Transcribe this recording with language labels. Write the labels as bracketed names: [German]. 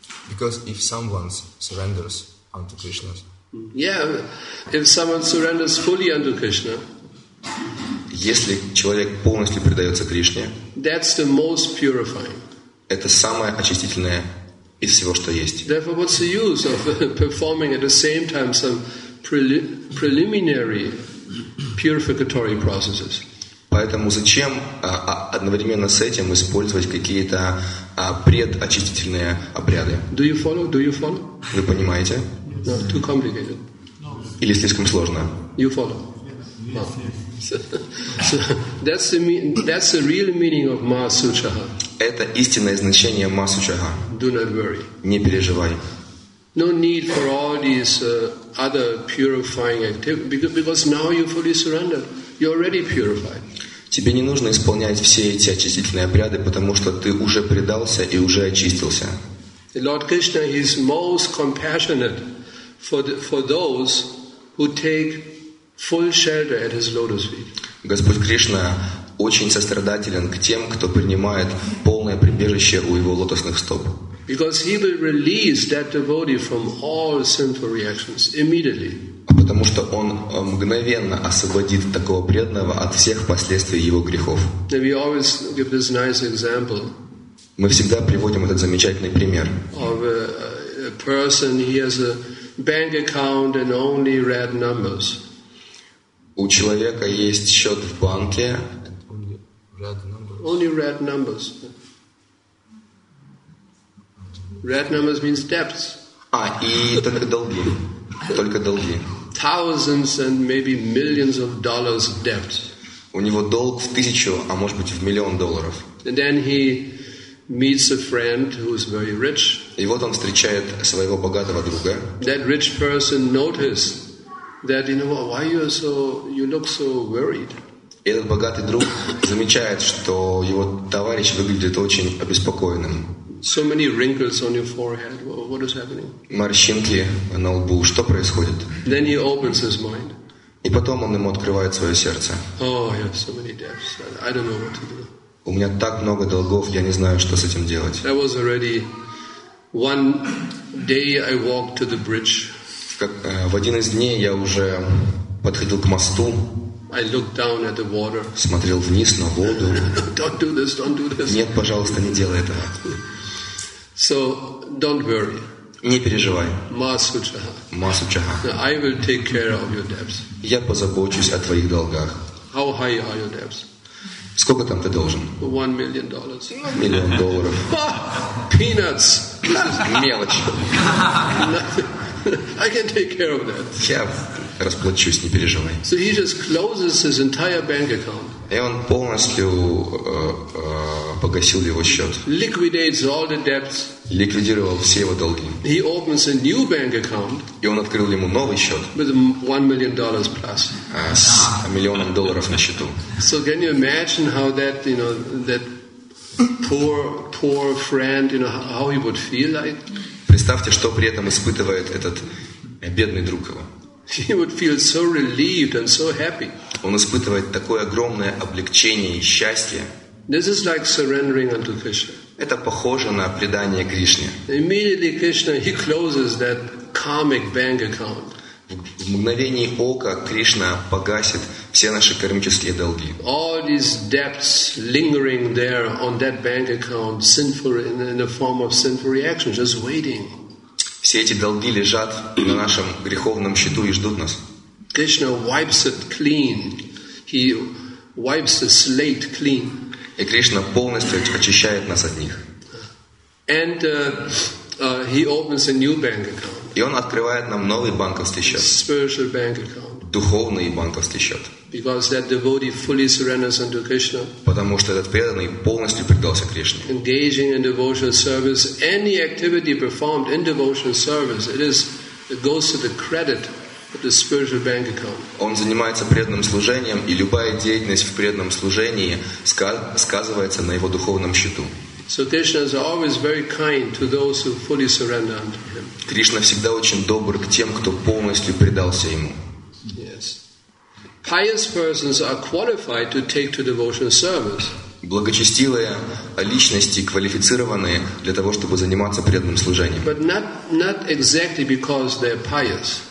[English] Because if someone surrenders unto Krishna. Yeah, if someone surrenders fully unto Krishna. [Russian] Если человек полностью предается Кришне. [English] That's the most purifying. [Russian] Это самое очистительное. Из всего, что есть. [English] Therefore, what's the use of performing at the same time some preliminary purificatory processes? [Russian] Поэтому зачем одновременно с этим использовать какие-то предочистительные обряды? [English] Do you follow? Do you follow? [Russian] Вы понимаете? [English] No, too complicated. [Russian] Или слишком сложно? [English] You follow? Yes. Oh. So, that's the real meaning of Ma Suchaha. [Russian] Это истинное значение Ма Сучага. [English] Do not worry. [Russian] Не переживай. [English] No need for all these other purifying activities because now you fully surrender. You already purified. [Russian] Тебе не нужно исполнять все эти очистительные обряды, потому что ты уже предался и уже очистился. [English] The Lord Krishna is most compassionate for those who take full shelter at his lotus feet. [Russian] Господь Кришна очень сострадателен к тем, кто принимает полное прибежище у его лотосных стоп. [English] Because he will release that devotee from all sinful reactions immediately. [Russian] Потому что он мгновенно освободит такого преданного от всех последствий его грехов. [English] And we always give this nice example. [Russian] Мы всегда приводим этот замечательный пример. [English] Of a person, he has a bank account and only red numbers. [Russian] У человека есть счет в банке. [English] Only red numbers. Red numbers means debts. [Russian] А, и только долги. Только долги. [English] Thousands and maybe millions of dollars debts. [Russian] У него долг в тысячу, а может быть в миллион долларов. [English] And then he meets a friend who is very rich. [Russian] И вот он встречает своего богатого друга. [English] That rich person noticed that, you know, why you are so, you look so worried. [Russian] И этот богатый друг замечает, что его товарищ выглядит очень обеспокоенным. [English] So many wrinkles on your forehead. What is happening? [Russian] Морщинки на лбу. Что происходит? [English] Then he opens his mind. [Russian] И потом он ему открывает свое сердце. [English] Oh, I have so many debts. I don't know what to do. [Russian] У меня так много долгов, я не знаю, что с этим делать. [English] I was already one day I walked to the bridge. [Russian] В один из дней я уже подходил к мосту. [English] I looked down at the water. [Russian] Смотрел вниз на воду. [English] Don't do this, don't do this. [Russian] Нет, пожалуйста, не делай этого. [English] So, don't worry. [Russian] Не переживай. [Sanskrit] Масучага. Масучага. [English] I will take care of your debts. [Russian] Я позабочусь о твоих долгах. [English] How high are your debts? [Russian] Сколько там ты должен? [English] $1 million. [Russian] Миллион долларов. [English] Peanuts. [Russian] Мелочь. [English] I can take care of that. [Russian] Я расплачусь, не переживай. [English] So he just closes his entire bank account. [Russian] И он полностью погасил его счет. [English] Liquidates all the debts. [Russian] Ликвидировал все его долги. [English] He opens a new bank account. [Russian] И он открыл ему новый счет. [English] With $1 million plus. [Russian] С миллионом долларов на счету. [English] So can you imagine how that, you know, that poor friend, you know, how he would feel like? [Russian] Представьте, что при этом испытывает этот бедный друг его. [English] He would feel so relieved and so happy. [Russian] Он испытывает такое огромное облегчение и счастье. [English] This is like surrendering unto Krishna. [Russian] Это похоже на предание Кришне. [English] Immediately Krishna he closes that karmic bank account. [Russian] В мгновение ока Кришна погасит все наши кармические долги. [English] All these debts lingering there on that bank account, sinful in the form of sinful reaction, just waiting. [Russian] Все эти долги лежат на нашем греховном счету и ждут нас. [English] Krishna wipes it clean. He wipes the slate clean. [Russian] И Кришна полностью очищает нас от них. [English] And he opens a new bank account. [Russian] И он открывает нам новый банковский счет. [English] Spiritual bank account. [Russian] Духовный банковский счет. [English] Because that devotee fully surrenders unto Krishna. [Russian] Потому что этот преданный полностью предался Кришне. [English] Engaging in devotional service, any activity performed in devotional service, it goes to the credit. The spiritual bank account. [Russian] Он занимается преданным служением, и любая деятельность в преданном служении сказывается на его духовном счету. [English] So Krishna is always very kind to those who fully surrender unto him. [Russian] Кришна всегда очень добр к тем, кто полностью предался ему. [English] Yes. Pious persons are qualified to take to devotional service. [Russian] Благочестивые личности квалифицированные для того, чтобы заниматься преданным служением. [English] But not exactly because they're pious.